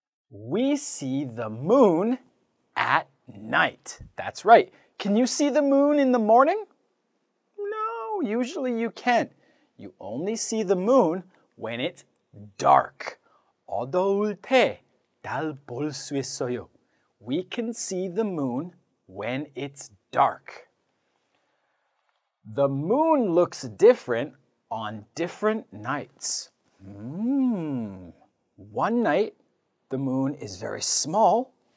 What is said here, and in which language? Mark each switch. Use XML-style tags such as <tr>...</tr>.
<en>We see the moon at night. That's right. Can you see the moon in the morning? No, usually you can't. You only see the moon when it's dark.</en> <ko>어두울 때 날 볼 수 있어요.</ko> <en>We can see the moon when it's dark. The moon looks different on different nights. One night, the moon is very small.</en>